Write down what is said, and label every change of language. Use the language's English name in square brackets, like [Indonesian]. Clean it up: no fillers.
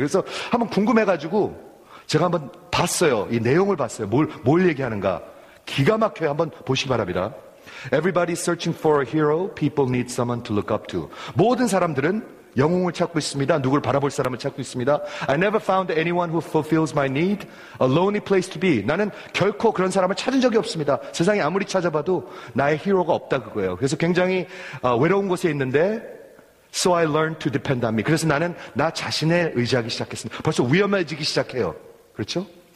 [Korean] 그래서 한번 궁금해가지고 제가 한번 봤어요. 이 내용을 봤어요. 뭘 얘기하는가. 기가 막혀요. 한번 보시기 바랍니다. [English] Everybody's searching for a hero. People need someone to look up to. [Korean] 모든 사람들은 영웅을 찾고 있습니다. 누굴 바라볼 사람을 찾고 있습니다. [English] I never found anyone who fulfills my need. A lonely place to be. [Korean] 나는 결코 그런 사람을 찾은 적이 없습니다. 세상에 아무리 찾아봐도 나의 히어로가 없다 그거예요. 그래서 굉장히 외로운 곳에 있는데 [English] So I learned to depend on me. [Korean] 그래서 나는 나 자신에 의지하기 시작했습니다. 벌써 위험해지기 시작해요. 그렇죠?